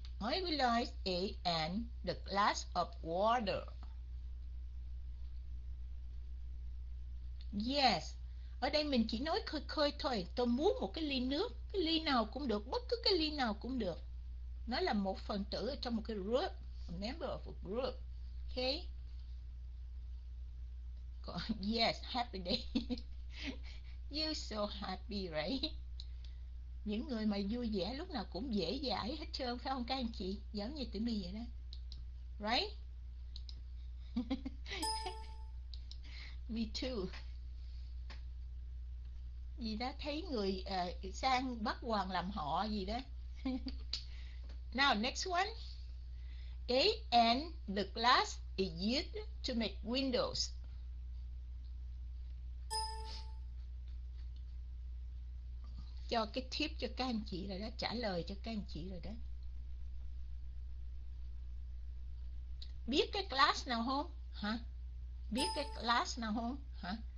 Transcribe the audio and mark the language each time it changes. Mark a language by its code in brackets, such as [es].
[en] I would like a and the glass of water. Yes. [vi] Ở đây mình chỉ nói khơi khơi thôi. Tôi muốn một cái ly nước. Cái ly nào cũng được. Bất cứ cái ly nào cũng được. Nó là một phần tử ở trong một cái group. [en] A member of a group. Okay. Yes, happy day. You're so happy, right? [vi] Những người mà vui vẻ lúc nào cũng dễ dãi hết trơn, phải không các anh chị? Giống như tụi mình vậy đó. Right? [en] Me too. [vi] Gì đó, thấy người sang bắt hoàng làm họ gì đó. [en] Now, next one. A and the glass is used to make windows. [vi] Cho cái tip cho các anh chị rồi đó, trả lời cho các anh chị rồi đó. Biết cái class nào không? Hả? Biết cái class nào không? Hả?